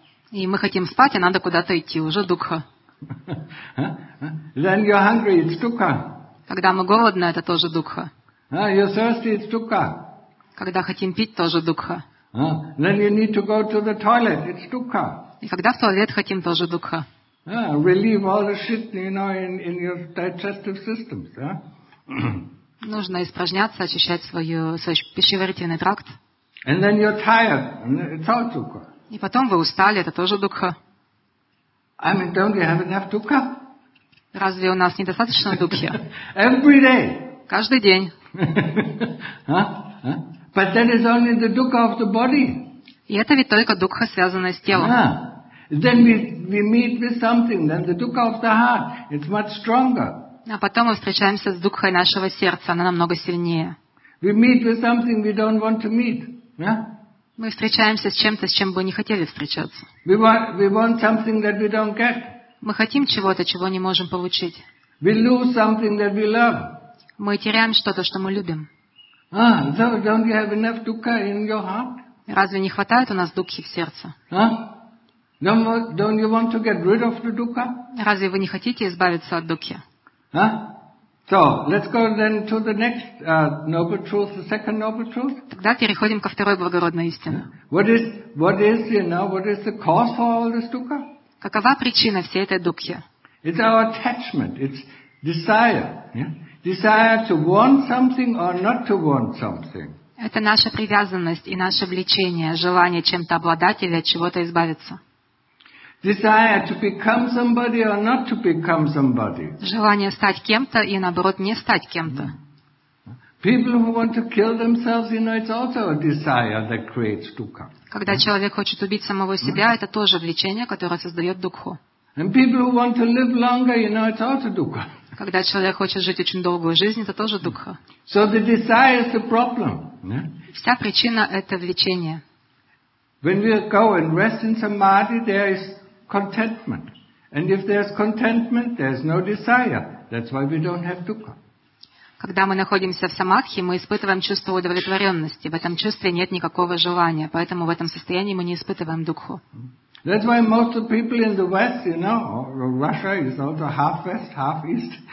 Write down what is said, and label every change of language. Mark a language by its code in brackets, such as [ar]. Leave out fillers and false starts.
[ru] И мы хотим спать, а надо куда-то идти, уже дукха. [en] Then you're hungry, it's dukkha. [ru] Когда мы голодны, это тоже дукха. [en] You're thirsty, it's dukkha. [ru] Когда хотим пить, тоже дукха. [en] Then you need to go to the toilet, it's dukkha. [ru] И когда в туалет хотим, тоже дукха. [en] Relieve all the shit, you know, in your digestive systems. [ru] Нужно испражняться, очищать свой пищеварительный тракт. [en] And then you're tired. It's all dukkha. [ru] И потом вы устали. Это тоже дукха. [en] I mean, don't you have enough dukkha? [ru] Разве у нас недостаточно дукхи? [en] Every day. [ru] Каждый день. [en] But that is only the dukkha of the body. [ru] И это ведь только дукха, связанная с телом. [en] Then we meet with something, then the dukkha of the heart, it's much stronger. [ru] А потом мы встречаемся с дукхой нашего сердца, она намного сильнее. [en] We meet with something we don't want to meet. Yeah? [ru] Мы встречаемся с чем бы не хотели встречаться. [en] We want something that we don't get. [ru] Мы хотим чего-то, чего не можем получить. [en] We lose something that we love. [ru] Мы теряем что-то, что мы любим. [en] So don't you have enough dukkha in your heart? [ru] Разве не хватает у нас дукхи в сердце? [en] Don't you want to get rid of the dukkha? [ru] Разве вы не хотите избавиться от дукхи? [en] So let's go then to the next noble truth, the second noble truth. [ru] Тогда переходим ко второй благородной истине. [en] What is the cause for all this dukkha? [ru] Какова причина всей этой дукхи? [en] It's our attachment. It's desire. Yeah? Desire to want something or not to want something. [ru] Это наша привязанность и наше влечение, желание чем-то обладать или от чего-то избавиться. [en] Desire to become somebody or not to become somebody. [ru] Желание стать кем-то и наоборот не стать кем-то. [en] People who want to kill themselves, you know, it's also a desire that creates dukkha. [ru] Когда человек хочет убить самого себя, это тоже влечение, которое создает дукху. [en] And people who want to live longer, you know, it's also dukkha. [ru] Когда человек хочет жить очень долгую жизнь, это тоже дукха. [en] So the desire is the problem. [ru] Вся причина это влечение. [en] When we go and rest in samadhi, there is contentment. And if there's contentment, there's no desire. That's why we don't have dukkha. [ru] Когда мы находимся в самадхи, мы испытываем чувство удовлетворенности. В этом чувстве нет никакого желания, поэтому в этом состоянии мы не испытываем дукху. [en] That's why most of the people in the West, you know, Russia is also half West, half East.